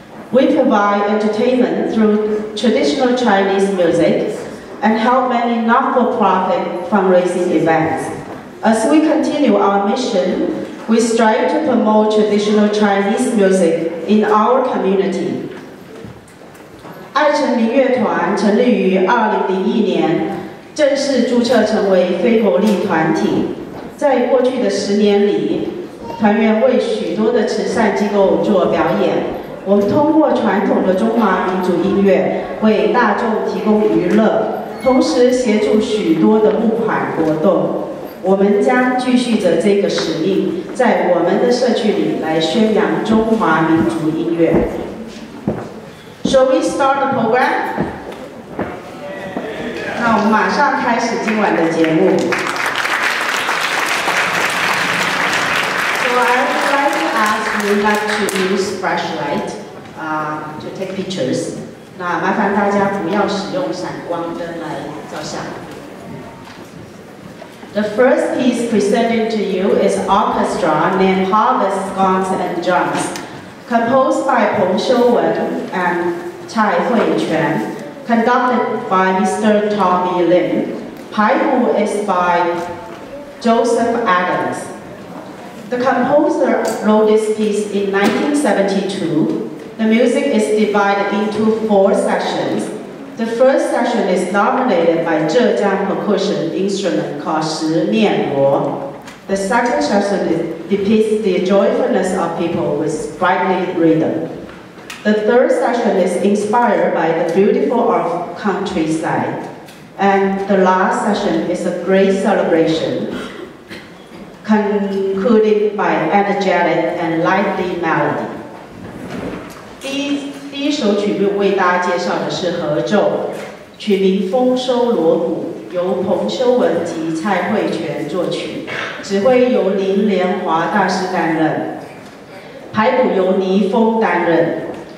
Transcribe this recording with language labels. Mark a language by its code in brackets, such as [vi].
[en] We provide entertainment through traditional Chinese music and help many not-for-profit fundraising events. As we continue our mission, we strive to promote traditional Chinese music in our community. [zh] 爱成林乐团成立于2001年，正式注册成为非牟利团体。在过去的10年里，团员为许多的慈善机构做表演。我们通过传统的中华民族音乐为大众提供娱乐，同时协助许多的募款活动。我们将继续着这个使命，在我们的社区里来宣扬中华民族音乐。 [en] Shall we start the program? [zh] 那我们马上开始今晚的节目。 [en] So I would like to ask you not to use flashlight, to take pictures. [zh] 那麻烦大家不要使用闪光灯来照相。 [en] The first piece presented to you is orchestra named Harvest Gongs and Drums, composed by Peng Shouwen and Cai Huiquan, conducted by Mr. Tommy Lim. Paihu is by Joseph Adams. The composer wrote this piece in 1972. The music is divided into 4 sections. The first section is dominated by Zhejiang percussion instrument called Shi Mian Guo. The second section depicts the joyfulness of people with sprightly rhythm. The third section is inspired by the beautiful of countryside. And the last section is a great celebration, concluded by energetic and lively melody. [zh] 第一首曲目为大家介绍的是合奏，曲名《丰收锣鼓》，由彭修文及蔡慧泉作曲，指挥由林连华大师担任，排鼓由倪峰担任。